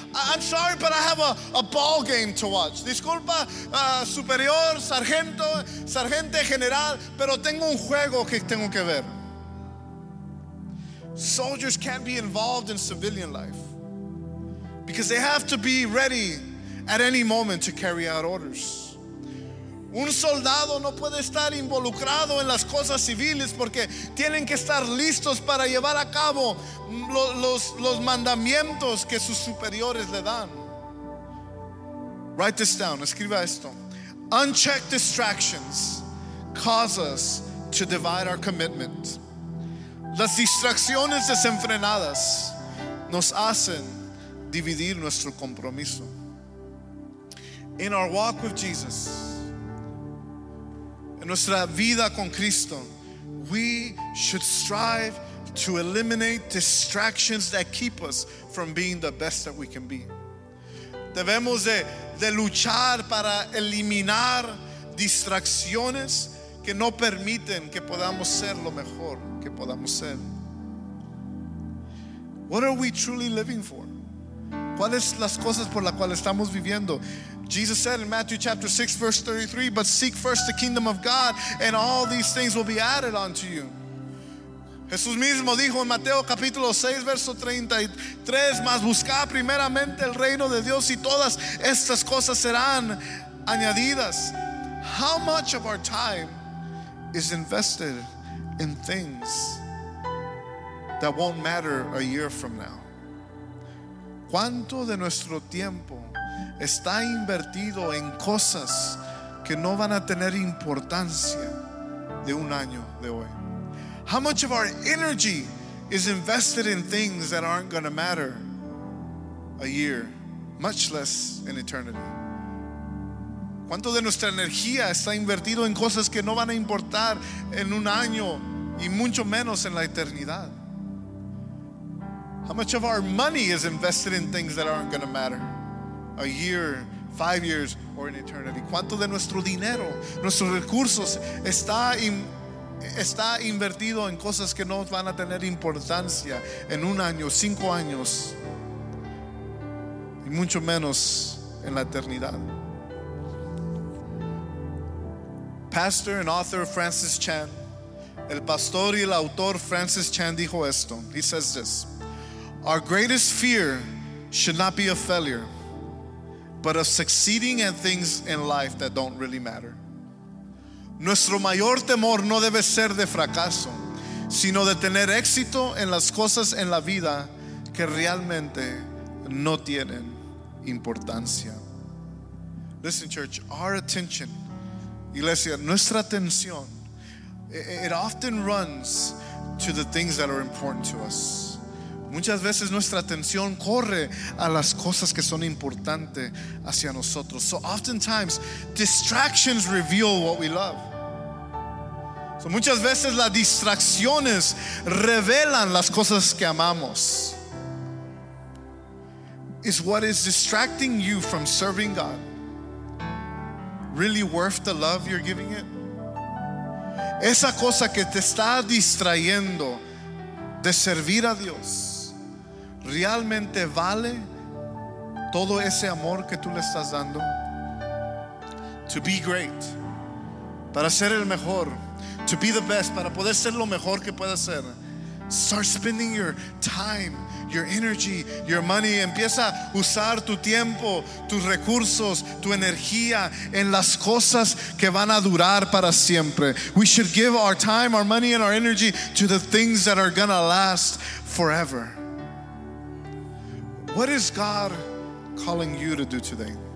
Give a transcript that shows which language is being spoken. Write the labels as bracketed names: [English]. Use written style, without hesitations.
[English] I'm sorry, but I have a ball game to watch. [Spanish] Disculpa, superior, sargento, sargente general, pero tengo un juego que tengo que ver. [English] Soldiers can't be involved in civilian life because they have to be ready at any moment to carry out orders. [Spanish] Un soldado no puede estar involucrado en las cosas civiles porque tienen que estar listos para llevar a cabo los mandamientos que sus superiores le dan. [English] Write this down, [Spanish] escriba esto. [English] Unchecked distractions cause us to divide our commitment. [Spanish] Las distracciones desenfrenadas nos hacen dividir nuestro compromiso. [English] In our walk with Jesus, en nuestra vida con Cristo, we should strive to eliminate distractions that keep us from being the best that we can be. [Spanish] Debemos de luchar para eliminar distracciones que no permiten que podamos ser lo mejor que podamos ser. [English] What are we truly living for? [Spanish] ¿Cuáles las cosas por las cuales estamos viviendo? [English] Jesus said in Matthew chapter 6 verse 33, but seek first the kingdom of God and all these things will be added unto you. [Spanish] Jesús mismo dijo en Mateo capítulo 6 verso 33, mas buscad primeramente el reino de Dios y todas estas cosas serán añadidas. [English] How much of our time is invested in things that won't matter a year from now? [Spanish] ¿Cuánto de nuestro tiempo está invertido en cosas que no van a tener importancia de un año de hoy? [English] How much of our energy is invested in things that aren't going to matter a year, much less in eternity? [Spanish] ¿Cuánto de nuestra energía está invertido en cosas que no van a importar en un año y mucho menos en la eternidad? [English] How much of our money is invested in things that aren't going to matter a year, 5 years, or in eternity? [Spanish] ¿Cuánto de nuestro dinero, nuestros recursos está invertido en cosas que no van a tener importancia en un año, 5 años, y mucho menos en la eternidad? [English] Pastor and author [Spanish] Francis Chan, el pastor y el autor Francis Chan dijo esto. [English] He says this: our greatest fear should not be a failure, but of succeeding at things in life that don't really matter. [Spanish] Nuestro mayor temor no debe ser de fracaso, sino de tener éxito en las cosas en la vida que realmente no tienen importancia. [English] Listen, church, our attention, [Spanish] iglesia, nuestra atención, [English] it often runs to the things that are important to us. [Spanish] Muchas veces nuestra atención corre a las cosas que son importantes hacia nosotros. [English] So oftentimes, distractions reveal what we love. [Spanish] So muchas veces las distracciones revelan las cosas que amamos. [English] Is what is distracting you from serving God really worth the love you're giving it? [Spanish] Esa cosa que te está distrayendo de servir a Dios, ¿realmente vale todo ese amor que tú le estás dando? [English] To be great, [Spanish] para ser el mejor, [English] to be the best, [Spanish] para poder ser lo mejor que pueda ser. [English] Start spending your time, your energy, your money. [Spanish] Empieza a usar tu tiempo, tus recursos, tu energía en las cosas que van a durar para siempre. [English] We should give our time, our money, and our energy to the things that are gonna last forever. What is God calling you to do today?